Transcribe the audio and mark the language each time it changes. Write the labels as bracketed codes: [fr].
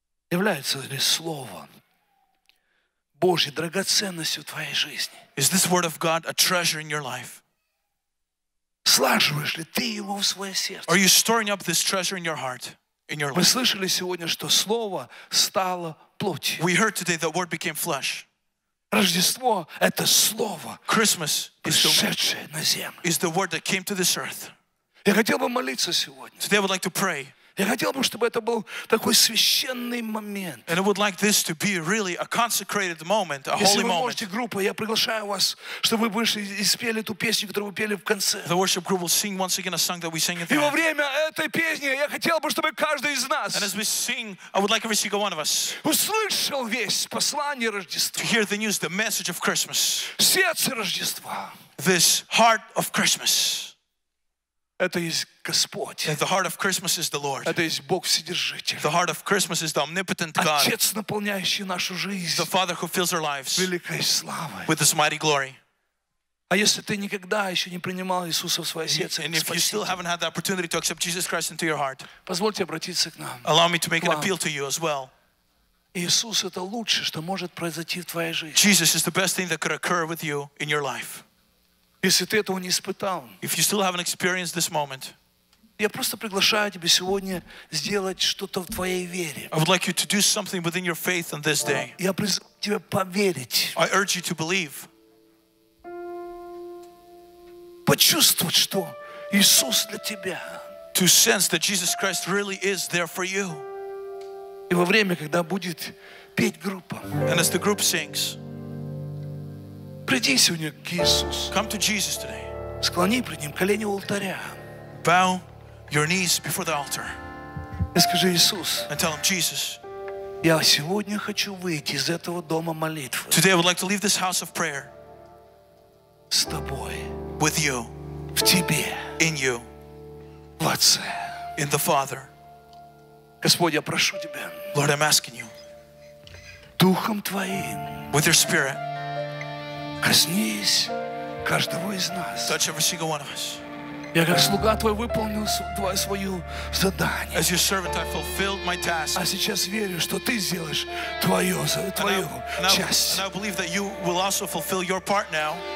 [ru] Является ли Слово Божье драгоценностью твоей жизни? [en] Is this word of God a treasure in your life? [ru] Слаживаешь ли ты его в свое сердце? [en] Are you storing up this treasure in your heart, in your life? [ru] Мы слышали сегодня, что Слово стало плотью. [en] We heard today that word became flesh. [ru] Рождество — это Слово, [en] Christmas [ru] пришедшее на землю. [en] Is the word that came to this earth. [ru] Я хотел бы молиться сегодня. [en] Today I would like to pray. [ru] Я хотел бы, чтобы это был такой священный момент. [en] And I would like this to be really a consecrated moment, a holy moment. [ru] Если вы можете, группа, я приглашаю вас, чтобы вы вышли и спели ту песню, которую вы пели в конце. [en] The worship group will sing once again a song that we sang at the end. [ru] И во время этой песни я хотел бы, чтобы каждый из нас. [en] And as we sing, I would like every single one of us. [ru] Услышал весь послание Рождества. [en] To hear the news, the message of Christmas. [ru] Сердце Рождества. [en] This heart of Christmas. [ru] Это есть Господь. [en] And the heart of Christmas is the Lord. [ru] Это есть Бог Вседержитель. [en] The heart of Christmas is the omnipotent God. [ru] Отец, наполняющий нашу жизнь. [en] The Father who fills our lives. [ru] Великой славой. [en] With His mighty glory. [ru] А если ты никогда еще не принимал Иисуса в свое сердце, [en] and if you still haven't had the opportunity to accept Jesus Christ into your heart, [ru] позвольте обратиться к нам. [en] Allow me to make an appeal to you as well. [ru] Иисус это лучшее, что может произойти в твоей жизни. [en] Jesus is the best thing that could occur with you in your life. [ru] Если ты этого не испытал, [en] if you still haven't experienced this moment, [ru] я просто приглашаю тебя сегодня сделать что-то в твоей вере. [en] I would like you to do something within your faith on this day. [ru] Я призываю тебя поверить. [en] I urge you to believe. [ru] Почувствовать, что Иисус для тебя. [en] To sense that Jesus Christ really is there for you. [ru] И во время, когда будет петь группа. [en] And as the group sings. [ru] Приди сегодня к Иисусу. [en] Come to Jesus today. [ru] Склони пред Ним колени у алтаря. [en] Bow your knees before the altar. [ru] И скажи, Иисус. [en] And tell Him, Jesus. [ru] Я сегодня хочу выйти из этого дома молитвы. [en] Today I would like to leave this house of prayer. [ru] С Тобой. [en] with you, [ru] в тебе, [en] in you, [ru] в отце, [en] in the Father. [ru] Господь, я прошу тебя, [en] Lord, I'm asking you, [ru] духом твоим, [en] with your Spirit, [ru] коснись каждого из нас, [en] touch every single one of us. [ru] Я как слуга твой выполнил твое свое задание. [en] As your servant, I fulfilled my task. [ru] А сейчас верю, что ты сделаешь твою часть. [en] And I believe that you will also fulfill your part now.